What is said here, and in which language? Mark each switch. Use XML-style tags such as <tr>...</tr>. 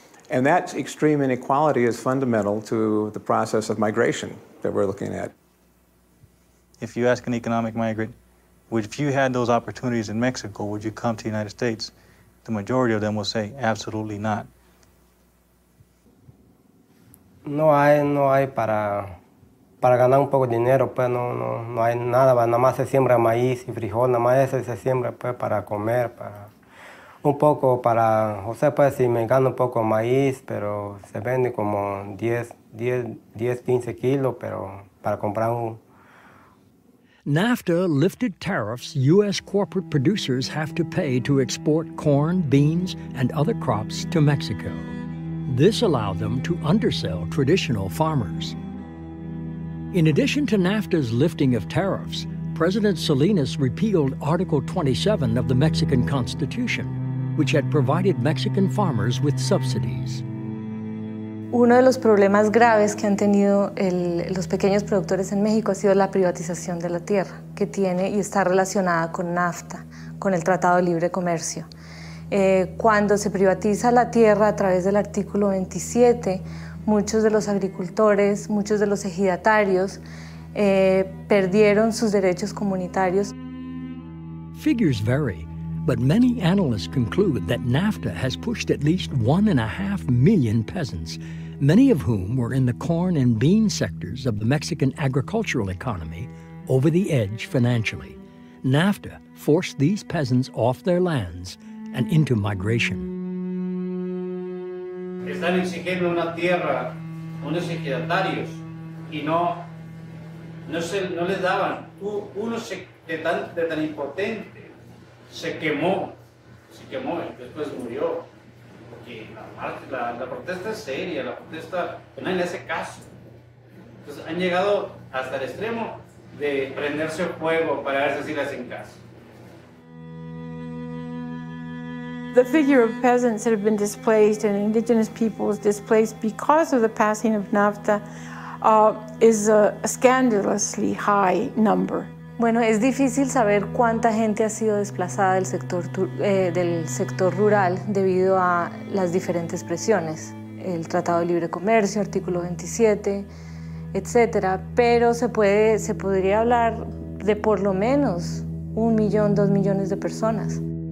<en>And that extreme inequality is fundamental to the process of migration that we're looking at. If you ask an economic migrant, if you had those opportunities in Mexico, would you come to the United States? The majority of them will say, absolutely not.</en> <es>No hay para... Para ganar un poco de dinero, pues no hay nada, nada más se siembra maíz y frijol, nada más eso se siembra pues para comer, para un poco para, o sea, pues si me gano un poco de maíz, pero se vende como 10, 15 kilos, pero para comprar un.</es> <en>NAFTA lifted tariffs U.S. corporate producers have to pay to export corn, beans, and other crops to Mexico. This allowed them to undersell traditional farmers. In addition to NAFTA's lifting of tariffs, President Salinas repealed Article 27 of the Mexican Constitution, which had provided Mexican farmers with subsidies.</en> <es>Uno de los problemas graves que han tenido los pequeños productores en México ha sido la privatización de la tierra, que tiene y está relacionada con NAFTA, con el Tratado de Libre Comercio. Cuando se privatiza la tierra a través del artículo 27, muchos de los agricultores, muchos de los ejidatarios, perdieron sus derechos comunitarios.</es> <en>Figures vary, but many analysts conclude that NAFTA has pushed at least 1.5 million peasants, many of whom were in the corn and bean sectors of the Mexican agricultural economy, over the edge financially. NAFTA forced these peasants off their lands and into migration.</en> <es>Están exigiendo una tierra, unos ejidatarios, y no les daban. Uno de tan impotente se quemó y después murió. Porque la protesta es seria, la protesta nadie le hace caso. Entonces han llegado hasta el extremo de prenderse fuego para ver si le hacen caso.</es> <en>The figure of peasants that have been displaced and indigenous peoples displaced because of the passing of NAFTA is a scandalously high number.</en> <es>Bueno, es difícil saber cuánta gente ha sido desplazada del sector rural debido a las diferentes presiones, el Tratado de Libre Comercio, artículo 27, etc. Pero se podría hablar de por lo menos 1 million, 2 millones de personas.</es>